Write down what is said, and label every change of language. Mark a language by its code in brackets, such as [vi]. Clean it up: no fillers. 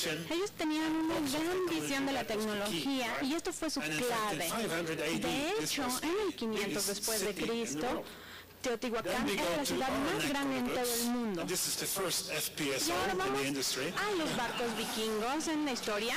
[es] Ellos tenían una gran visión de la tecnología y esto fue su clave. De hecho, en el 500 después de Cristo, Teotihuacán es la ciudad más grande en todo el mundo. [en] This is the first FPSO in the industry. [es] Y ahora vamos a los barcos vikingos en la historia.